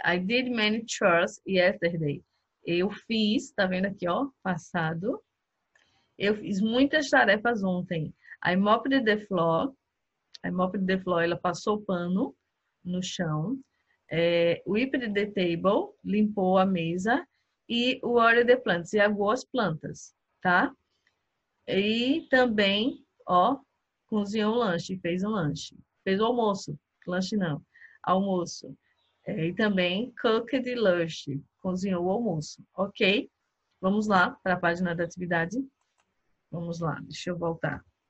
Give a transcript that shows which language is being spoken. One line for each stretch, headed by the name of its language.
English: I did many chores yesterday.
Portuguese: Eu fiz, tá vendo aqui, ó, passado. Eu fiz muitas tarefas ontem. A
English: mopped the floor,
Portuguese: ela passou pano no chão.
English: Wiped the table,
Portuguese: limpou a mesa. E
English: watered the plants,
Portuguese: e aguou as plantas, tá? E também, ó, cozinhou um lanche, fez um lanche. Fez o almoço, lanche não, almoço. E também,
English: cooked lunch,
Portuguese: cozinhou o almoço. Ok? Vamos lá para a página da atividade. Vamos lá, deixa eu voltar.